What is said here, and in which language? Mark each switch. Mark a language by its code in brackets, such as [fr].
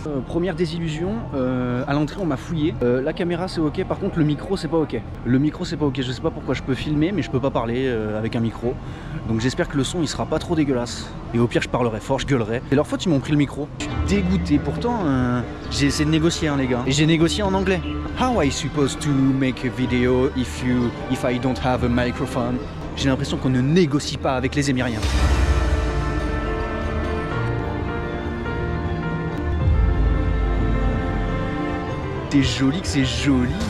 [fr] Première désillusion, à l'entrée on m'a fouillé. La caméra c'est ok, par contre le micro c'est pas ok. Le micro c'est pas ok, je sais pas pourquoi je peux filmer mais je peux pas parler avec un micro. Donc j'espère que le son il sera pas trop dégueulasse. Et au pire je parlerai fort, je gueulerai. C'est leur faute, ils m'ont pris le micro. Je suis dégoûté, pourtant j'ai essayé de négocier hein, les gars. Et j'ai négocié en anglais. [en] How I supposed to make a video if I don't have a microphone? [fr] J'ai l'impression qu'on ne négocie pas avec les Émiriens. C'est joli que c'est joli.